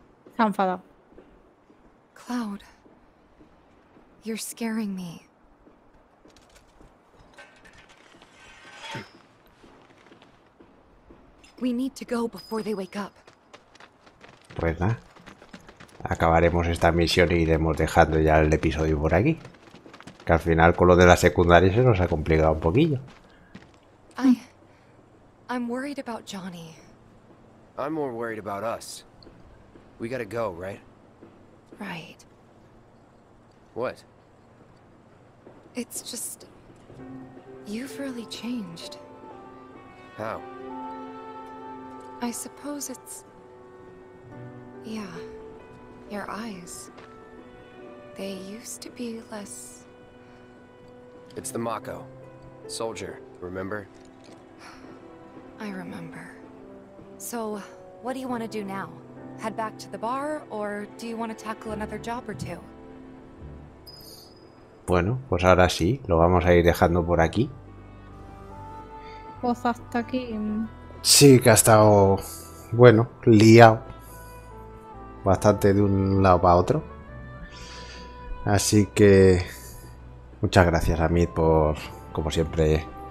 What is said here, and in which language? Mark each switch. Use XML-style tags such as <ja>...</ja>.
<es>Está enfadado.</es> <en>Cloud, you're scaring me. We need to go before they wake up.</en> <es>Pues nada, acabaremos esta misión y iremos dejando ya el episodio por aquí. Que al final con lo de la secundaria se nos ha complicado un poquillo.</es> <en>I'm worried about Johnny. I'm more worried about us. We gotta go, right? Right. What? It's just you've really changed. How? I suppose it's. Yeah, your eyes. They used to be less. It's the Mako. Soldier. Remember? I remember. So, what do you want to do now? Head back to the bar, or do you want to tackle another job or two?</en> <es>Bueno, pues ahora sí, lo vamos a ir dejando por aquí. Pues hasta aquí. Sí, que ha estado, bueno, liado. Bastante de un lado para otro. Así que muchas gracias a Mid por, como siempre,</es>